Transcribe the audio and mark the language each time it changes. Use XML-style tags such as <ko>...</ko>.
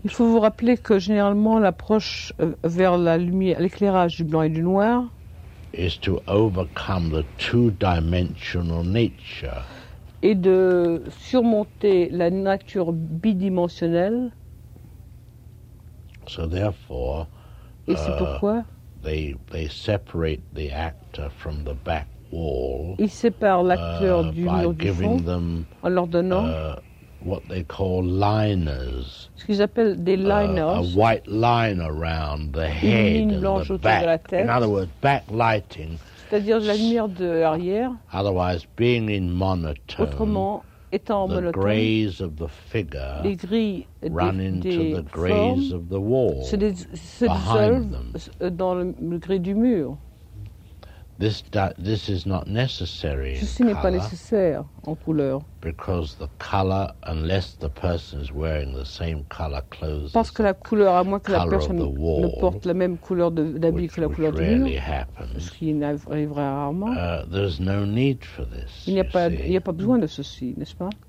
<fr>Il faut vous rappeler que généralement l'approche vers la lumière, l'éclairage du blanc et du noir,</fr> <en>is to overcome the two-dimensional nature.</en> <fr>Et de surmonter la nature bidimensionnelle.</fr> <en>So therefore,</en> <fr>et c'est pourquoi</fr> <en>they separate the actor from the back wall.</en> <fr>Ils séparent l'acteur du mur du fond.</fr> <en>By giving them</en> <fr>en leur donnant</fr> <en>what they call liners.</en> <fr>Ce qu'ils appellent des liners.</fr> <en>A white line around the head and the back.</en> <fr>Une ligne blanche autour de la tête.</fr> <en>In other words, backlighting.</en> <fr>C'est-à-dire la lumière de l'arrière.</fr> <en>Otherwise, being in monotone.</en> <fr>Autrement.</fr> <en>The grays of the figure run into the grays of the wall behind them.</en> <fr>Gris du mur.</fr> <en>This is not necessary in</en> <fr>ceci n'est pas nécessaire en couleur.</fr> <en>Because the color, unless the person is wearing the same color clothes,</en> <fr>parce que la couleur, à moins que la personne ne porte la même couleur d'habit que la couleur du mur, ce qui n'arrivera rarement,</fr> <en>there's no need for this,</en> <fr>il n'y a pas besoin de ceci, n'est-ce pas?</fr>